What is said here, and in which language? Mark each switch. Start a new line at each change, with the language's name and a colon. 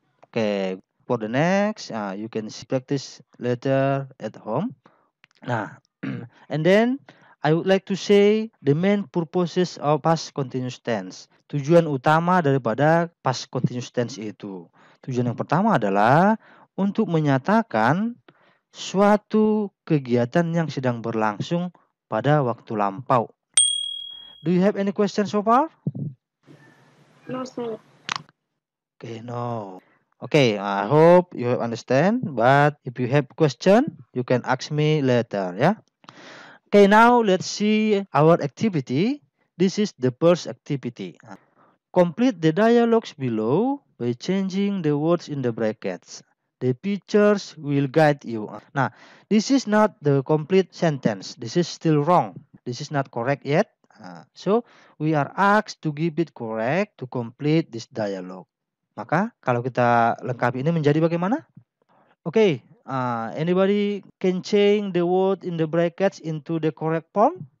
English: Okay, for the next, you can practice later at home. And then I would like to say the main purposes of past continuous tense.
Indonesian: Tujuan utama daripada past continuous tense itu. Tujuan yang pertama adalah untuk menyatakan suatu kegiatan yang sedang berlangsung pada waktu lampau.
English: Do you have any question so far? No, sir. Okay, no. Okay, I hope you understand. But if you have question, you can ask me later, yeah? Okay, now let's see our activity. This is the first activity. Complete the dialogues below by changing the words in the brackets. The pictures will guide you. Nah, this is not the complete sentence. This is still wrong. This is not correct yet. So, we are asked to give it correct to complete this dialogue.
Indonesian: Maka, kalau kita lengkapi ini menjadi bagaimana?
English: Okay, anybody can change the word in the brackets into the correct form?